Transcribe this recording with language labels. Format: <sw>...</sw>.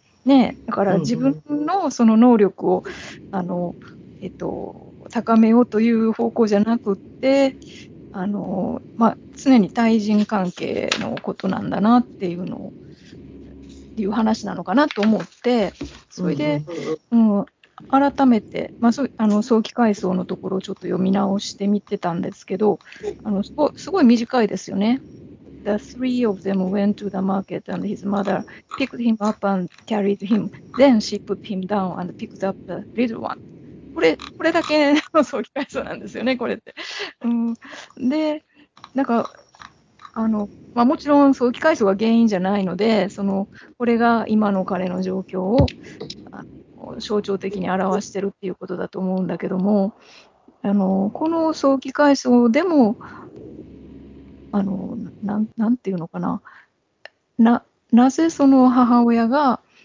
<ja>ね、だから自分のその能力を、うんうん、高めようという方向じゃなくて、まあ、常に対人関係のことなんだなっていうのをいう話なのかなと思って、それで、うんうん、改めて、まあ、早期回想のところをちょっと読み直してみてたんですけど、すごい短いですよね。</ja> <en>The three of them went to the market and his mother picked him up and carried him. Then she put him down and picked up the little one.</en> <ja>これだけの早期回想なんですよね、これって。うん、で、なんか、まあ、もちろん早期回想が原因じゃないので、そのこれが今の彼の状況を象徴的に表しているということだと思うんだけども、この早期回想でも なんていうのかな、 なぜその母親が、</ja>